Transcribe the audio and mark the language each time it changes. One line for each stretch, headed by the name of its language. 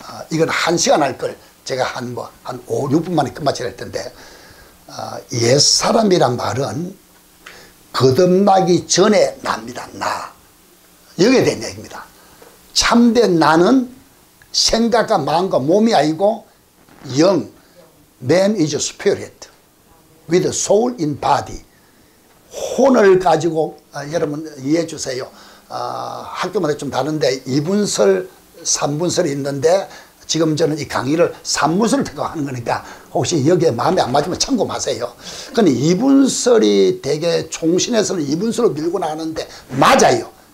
Korean: 이건 한 시간 할 걸 제가 한 뭐 한 5, 6분 만에 끝마치려 할 텐데 옛 사람이란 말은 거듭나기 전에 납니다. 나. 여기에 대한 얘기입니다. 참된 나는 생각과 마음과 몸이 아니고 영.
English: Man is a spirit with a soul in body.
Korean: 혼을 가지고 여러분 이해해 주세요. 학교마다 좀 다른데 2분설, 3분설이 있는데 지금 저는 이 강의를 3분설을 택하는 거니까 혹시 여기에 마음에 안 맞으면 참고 마세요. 근데 2분설이 되게 총신에서는 2분설로 밀고 나가는데 맞아요.